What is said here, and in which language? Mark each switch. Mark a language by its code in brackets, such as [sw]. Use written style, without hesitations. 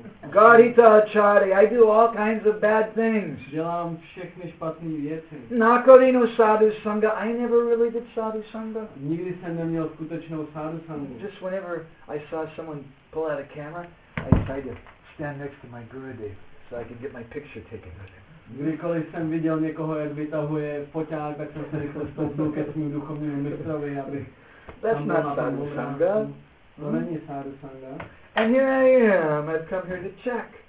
[bn] Garita Achari, [en] I do all kinds of bad things. [cs] Dělám všechny špatné věci. [bn] Nakorinu [en] sadhu sangha, I never really did sadhu sangha. [cs] Nikdy jsem neměl skutečnou sadhu sangha. [en] Just whenever I saw someone pull out a camera, I tried to stand next to my Gurudev so I could get my picture taken with him. [cs] Kdykoliv jsem viděl někoho, jak vytahuje foťák, tak jsem se rychle stoupnul ke svým duchovním mistrovi, aby... [en] That's not sadhu sangha. [cs] To není sadhu sangha. [en] And here I am, I've come here to check.